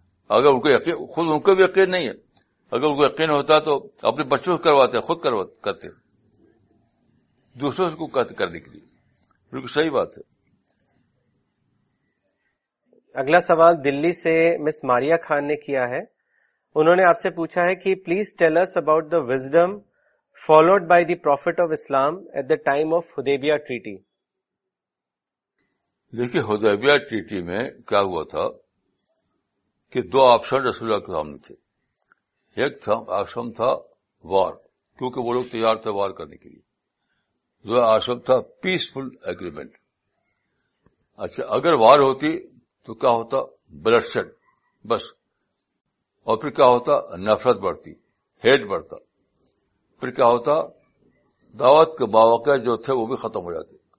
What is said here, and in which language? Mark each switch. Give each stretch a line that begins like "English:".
Urdu: اگر ان کو یقین, خود ان کو بھی یقین نہیں ہے, اگر ان کو یقین ہوتا تو اپنے بچوں سے کرواتے, خود کرتے, دوسروں کو کرنے کے لیے. بالکل صحیح بات ہے. اگلا سوال دلی سے مس ماریا خان نے کیا ہے, انہوں نے آپ سے پوچھا ہے کہ
English: Please tell us about the wisdom followed by the Prophet of Islam at the time of Hudaybiyah Treaty.
Urdu: دیکھیے حدیبیہ ٹریٹی میں کیا ہوا تھا کہ دو آپشن رسول اللہ کے سامنے تھے. ایک تھا آپشن تھا وار, کیونکہ وہ لوگ تیار تھے وار کرنے کے لیے. دو آپشن تھا پیسفل اگریمنٹ. اچھا اگر وار ہوتی تو کیا ہوتا, بلڈ شیڈ بس, اور پھر کیا ہوتا, نفرت بڑھتی, ہیٹ بڑھتا, پھر کیا ہوتا, دعوت کے باوقع جو تھے وہ بھی ختم ہو جاتے.